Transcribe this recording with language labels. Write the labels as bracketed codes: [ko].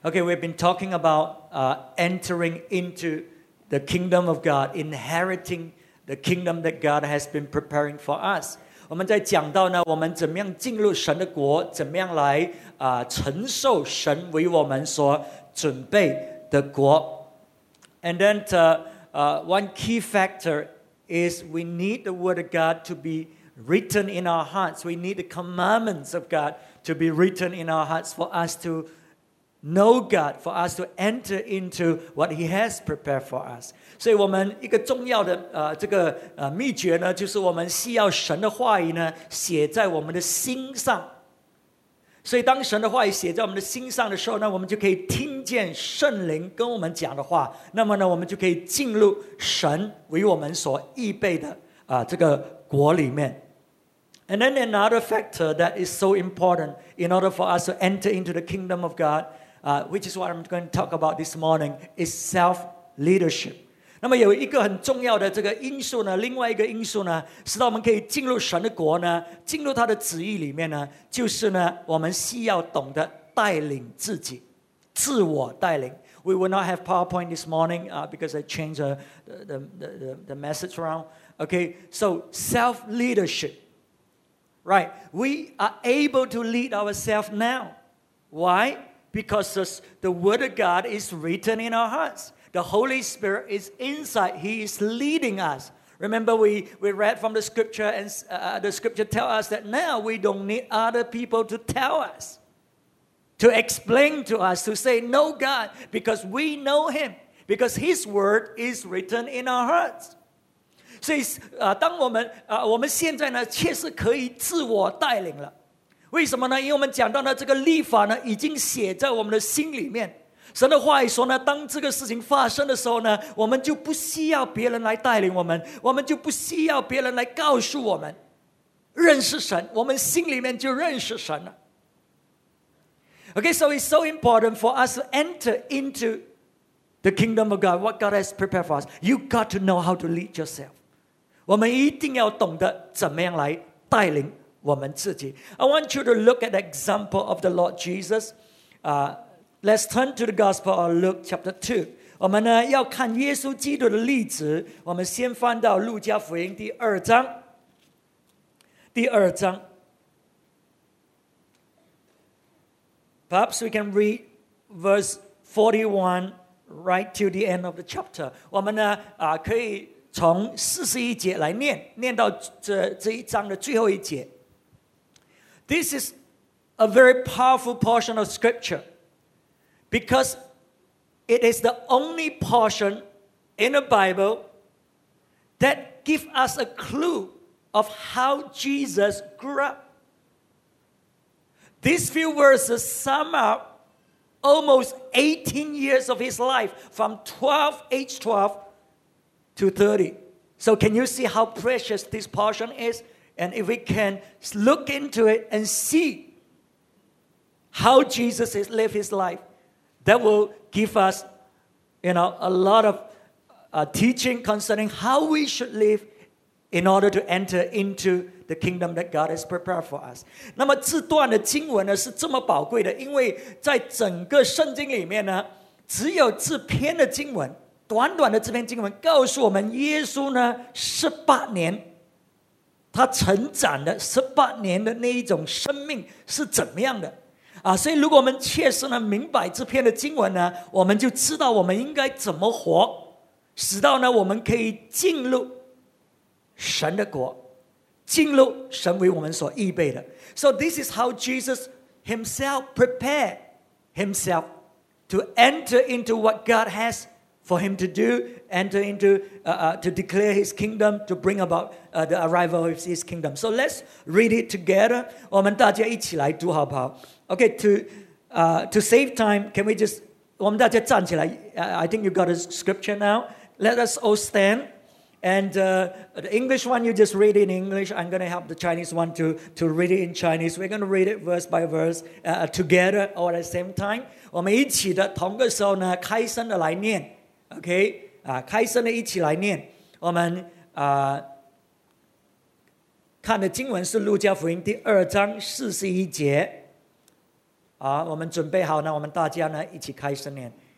[en] Okay, we've been talking about entering into the kingdom of God, inheriting the kingdom that God has been preparing for us. [zh] 我们在讲到呢，我们怎么样进入神的国，怎么样来承受神为我们所准备的国。 [en] And then one key factor is we need the word of God to be written in our hearts. We need the commandments of God to be written in our hearts for us to know God, for us to enter into what He has prepared for us. [zh] 所以我们一个重要的秘诀呢，就是我们需要神的话语呢写在我们的心上。所以当神的话语写在我们的心上的时候呢，我们就可以听见圣灵跟我们讲的话，那么呢，我们就可以进入神为我们所预备的国里面。 [en] And then another factor that is so important in order for us to enter into the kingdom of God, which is what I'm going to talk about this morning, is self-leadership. [zh] 那么有一个很重要的这个因素呢，另外一个因素呢，使到我们可以进入神的国呢，进入他的旨意里面呢，就是呢，我们需要懂得带领自己，自我带领。 [en] We will not have PowerPoint this morning, because I changed the message around. Okay, so self-leadership. Right, we are able to lead ourselves now. Why? Because the word of God is written in our hearts. The Holy Spirit is inside. He is leading us. Remember, we read from the scripture, and the scripture tells us that now we don't need other people to tell us, to explain to us, to say, no, God, because we know Him, because His word is written in our hearts. [zh] 所以当我们现在呢，确实可以自我带领了。为什么呢？因为我们讲到呢，这个律法呢，已经写在我们的心里面。神的话语说呢，当这个事情发生的时候呢，我们就不需要别人来带领我们，我们就不需要别人来告诉我们，认识神，我们心里面就认识神了。 [en] Okay, so it's so important for us to enter into the kingdom of God, what God has prepared for us. You got to know how to lead yourself. [zh] 我们一定要懂得怎么样来带领我们自己。 [en] I want you to look at the example of the Lord Jesus. Let's turn to the Gospel of Luke chapter 2. [zh] 我们呢要看耶稣基督的例子。我们先翻到路加福音第二章。 [en] Perhaps we can read verse 41 right to the end of the chapter. [zh] 我们呢可以从41节来念，念到这一章的最后一节。 [en] This is a very powerful portion of scripture because it is the only portion in the Bible that gives us a clue of how Jesus grew up. These few verses sum up almost 18 years of his life from age 12 to 30. So can you see how precious this portion is? And if we can look into it and see how Jesus has lived his life, that will give us, you know, a lot of teaching concerning how we should live in order to enter into the kingdom that God has prepared for us. [zh] 那么这段的经文呢是这么宝贵的，因为在整个圣经里面呢，只有这篇的经文，短短的这篇经文告诉我们耶稣呢18年他成长的18年的那一种生命是怎么样的啊？所以如果我们切实呢明白这篇的经文呢，我们就知道我们应该怎么活，使到呢我们可以进入神的国，进入神为我们所预备的。 [en] So this is how Jesus himself prepared himself to enter into what God has for him to do, enter into to declare his kingdom, to bring about the arrival of his kingdom. So let's read it together. [zh] 我们大家一起来读好不好？ [en] Okay, to save time, can we just, [zh] 我们大家站起来。 [en] I think you got a scripture now. Let us all stand. And the English one, you just read it in English. I'm going to help the Chinese one to read it in Chinese. We're going to read it verse by verse together or at the same time. [zh] 我们一起的同个时候呢，开声的来念。OK, 开声的一起来念。我们看的经文是路加福音第二章41节。我们准备好呢，我们大家呢一起开圣念。